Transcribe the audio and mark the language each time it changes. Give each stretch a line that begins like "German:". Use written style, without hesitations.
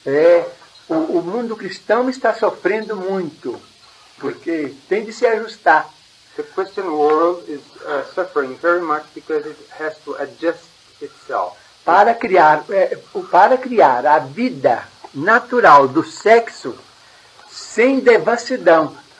Portuguese: É, o mundo cristão está sofrendo muito, porque tem de se ajustar.
English: The Christian world is suffering very much because it has to adjust itself.
Portuguese: Para criar a vida natural do sexo sem devassidão.